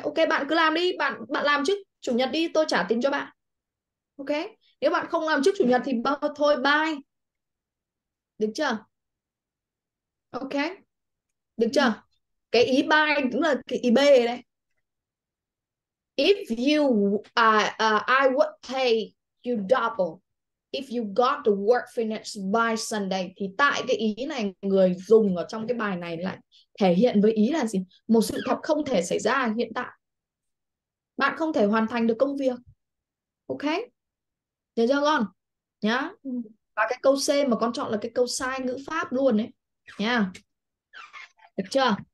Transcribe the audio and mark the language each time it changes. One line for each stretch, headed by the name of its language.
Vietnamese: Ok, bạn cứ làm đi, bạn bạn làm trước chủ nhật đi, tôi trả tiền cho bạn. Ok. Nếu bạn không làm trước chủ nhật thì thôi bye. Được chưa? Ok. Được chưa? Cái ý bye cũng là cái ý B đấy.
English: I would pay you double if you got the work finished by Sunday.
Vietnamese: Thì tại cái ý này người dùng ở trong cái bài này lại thể hiện với ý là gì? Một sự thật không thể xảy ra hiện tại. bạn không thể hoàn thành được công việc. Ok, được chưa con nhá? Và cái câu C mà con chọn là cái câu sai ngữ pháp luôn đấy nha. Được chưa?